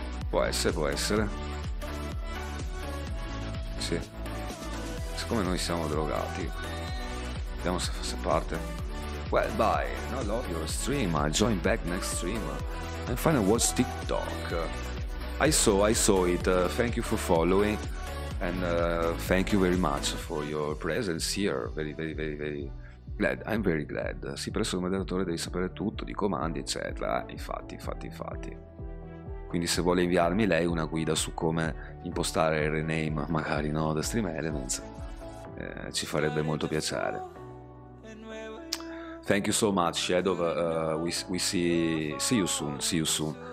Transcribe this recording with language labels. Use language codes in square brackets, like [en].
[it] Può essere. Sì. Siccome noi siamo drogati, vediamo se fa parte. [en] Well, bye, I love your stream, I'll join back next stream and finally watch TikTok. I saw it, thank you for following and thank you very much for your presence here. Very, very, very, very glad, I'm very glad. [it] Sì, per essere moderatore devi sapere tutto, di comandi, eccetera. Infatti. Quindi se vuole inviarmi lei una guida su come impostare il rename, magari, no, da Stream Elements, ci farebbe molto piacere. [en] Thank you so much, Shadow. We see you soon.